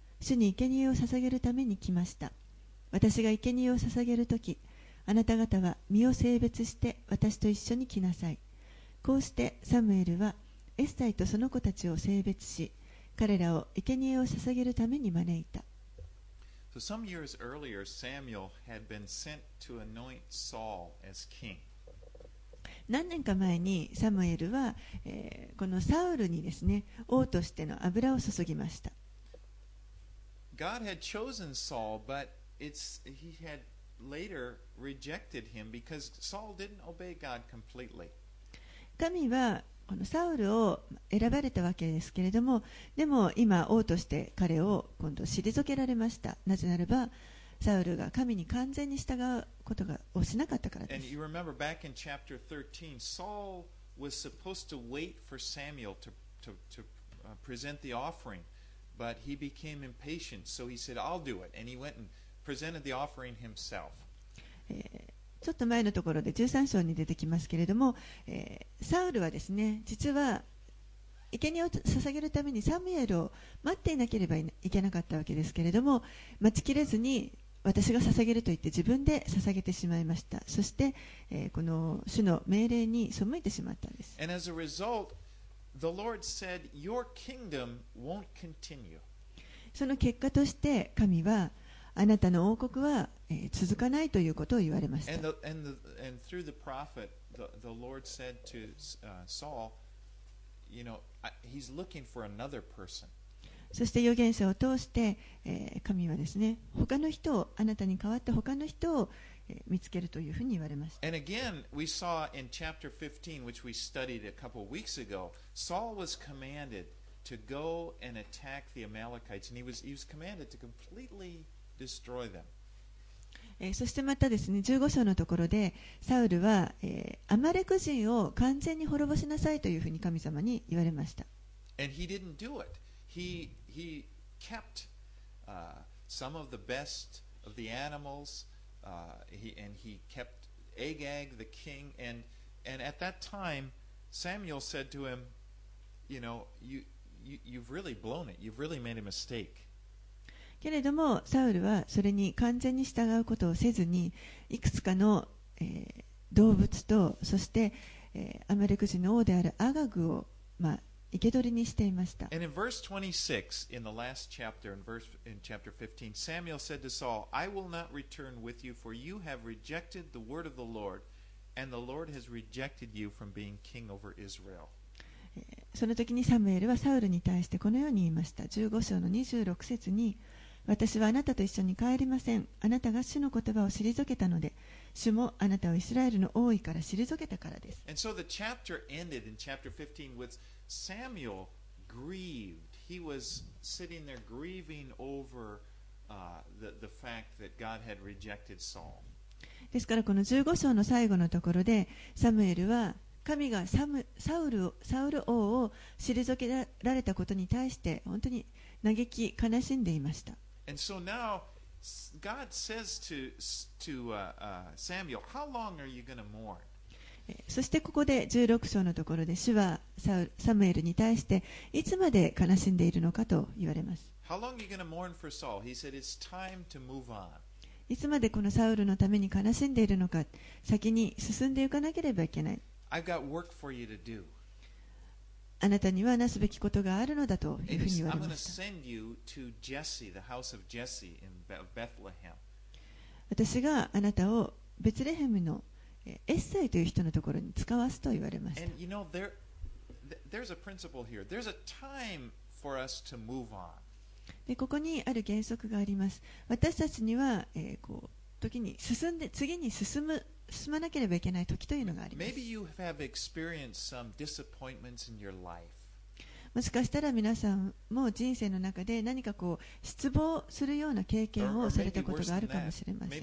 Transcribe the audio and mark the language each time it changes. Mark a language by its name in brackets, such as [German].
[Japanese] 主に生贄を捧げるために来ました。私が生贄を捧げるときあなた方は身を清別して私と一緒に来なさい。こうしてサムエルはエッサイとその子たちを清別し、彼らを生贄を捧げるために招いた。 [English] So some years earlier, Samuel had been sent to anoint Saul as king. [Japanese] 何年か前にサムエルは、このサウルにですね、王としての油を注ぎました。 [English] God had chosen Saul, but he had later rejected him because Saul didn't obey God completely. [Japanese] 神はこのサウルを選ばれたわけですけれども、でも今王として彼を今度退けられました。なぜならばサウルが神に完全に従うことがをしなかったからです。 [English] And you remember back in chapter 13, Saul was supposed to wait for Samuel to present the offering, but he became impatient, so he said, I'll do it. And he went and presented the offering himself. [Japanese] ちょっと前のところで13章に出てきますけれども、サウルはですね、実は生贄を捧げるためにサムエルを待っていなければいけなかったわけですけれども、待ちきれずに私が捧げると言って自分で捧げてしまいました。そして、この主の命令に背いてしまったんです。 [English] And as a result, the Lord said, Your kingdom won't continue. [Japanese] その結果として神はあなたの王国は続かないということを言われました。 [English] And through the prophet, the Lord said to Saul, you know, he's looking for another person. [Japanese] そして預言者を通して、神はですね、他の人を、あなたに代わって他の人を、見つけるというふうに言われました。 [English] And again, we saw in chapter 15, which we studied a couple of weeks ago, Saul was commanded to go and attack the Amalekites, and he was commanded to completely destroy them. [Japanese] そしてまたですね、15章のところでサウルは、アマレク人を完全に滅ぼしなさいというふうに神様に言われました。 [English] And he didn't do it. He kept some of the best of the animals, and he kept Agag the king, and at that time Samuel said to him, you know, you've really blown it. You've really made a mistake. [Japanese] けれどもサウルはそれに完全に従うことをせずに、いくつかの、動物と、そして、アマレク人の王であるアガグを、生け捕りにしていました。 [English] And in verse 26, in the last chapter, in chapter 15, Samuel said to Saul, I will not return with you, for you have rejected the word of the Lord, and the Lord has rejected you from being king over Israel. [Japanese] その時にサムエルはサウルに対してこのように言いました。15章の26節に、私はあなたと一緒に帰りません。あなたが主の言葉を退けたので、主もあなたをイスラエルの王位から退けたからです。 [English] And so the chapter ended in chapter 15 with Samuel grieved. He was sitting there grieving over the fact that God had rejected Saul. [Japanese] ですからこの15章の最後のところで、サムエルは神がサウル王を退けられたことに対して本当に嘆き悲しんでいました。 [English] And so now, God says to Samuel, how long are you going to mourn? [Japanese] そしてここで16章のところで主はサムエルに対していつまで悲しんでいるのかと言われます。 [English] How long are you going to mourn for Saul? He said, it's time to move on. [Japanese] いつまでこのサウルのために悲しんでいるのか、先に進んでいかなければいけない。 [English] I've got work for you to do. [Japanese] あなたにはなすべきことがあるのだというふうに言われました。 [English] I'm going to send you to Jesse, the house of Jesse in Bethlehem. [Japanese] 私があなたをベツレヘムのエッサイという人のところに使わすと言われました。 [English] And you know, there's a principle here. There's a time for us to move on. [Japanese] でここにある原則があります。私たちには、こう時に進んで次に進まなければいけない時というのがあります。 [English] Maybe you have experienced some disappointments in your life. [Japanese] もしかしたら皆さんも人生の中で何かこう失望するような経験をされたことがあるかもしれません。